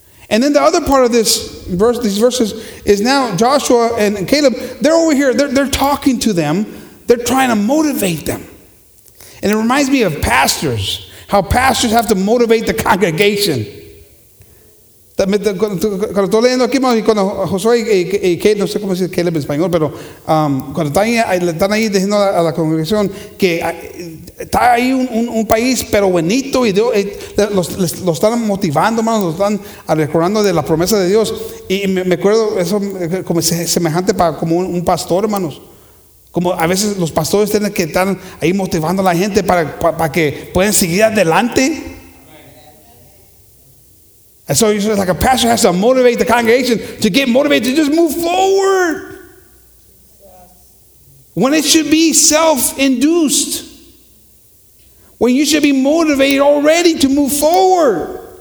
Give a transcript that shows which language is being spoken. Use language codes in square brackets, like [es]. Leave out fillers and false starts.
[en] And then the other part of this verse, these verses, is now Joshua and Caleb, they're over here, they're talking to them, they're trying to motivate them. And it reminds me of pastors, how pastors have to motivate the congregation. [es] Cuando estoy leyendo aquí, cuando Josué y Caleb, no sé cómo decir Caleb en español, pero cuando están ahí diciendo a la congregación que está ahí un país, pero bonito, y Dios, los están motivando, hermanos, los están recordando de la promesa de Dios. Y me acuerdo, eso como es semejante para como un pastor, hermanos. Como a veces los pastores tienen que estar ahí motivando a la gente para que puedan seguir adelante. [en] And so it's like a pastor has to motivate the congregation to get motivated to just move forward. When it should be self-induced. When you should be motivated already to move forward.